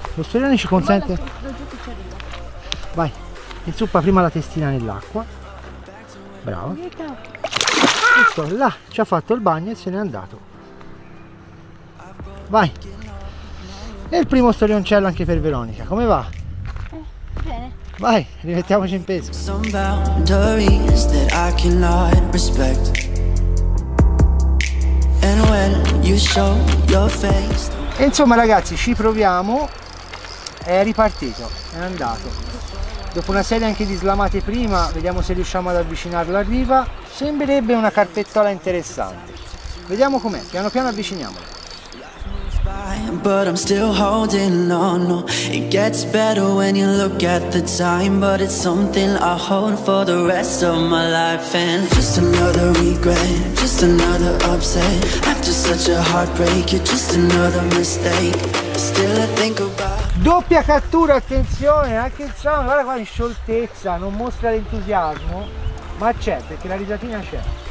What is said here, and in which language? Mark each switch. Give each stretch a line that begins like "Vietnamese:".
Italian: Lo storione ci consente. Vai, inzuppa prima la testina nell'acqua. Bravo. Ecco, là, ci ha fatto il bagno e se n'è andato. Vai. E il primo storioncello anche per Veronica, come va? Vai, rimettiamoci in peso.
English: Some boundaries that I cannot respect. And when you show your face.
Italian: E insomma ragazzi, ci proviamo. È ripartito, è andato. Dopo una serie anche di slamate prima, vediamo se riusciamo ad avvicinarlo a riva. Sembrerebbe una carpettola interessante. Vediamo com'è, piano piano avviciniamolo.
English: But I'm still holding on, no. It gets better when you look at the time. But it's something I hold for the rest of my life. And just another regret, just another upset. After such a heartbreak, you're just another mistake. Still I think about.
Italian: Doppia cattura, attenzione, anche il sound. Guarda qua in scioltezza, non mostra l'entusiasmo. Ma c'è, perché la risatina c'è.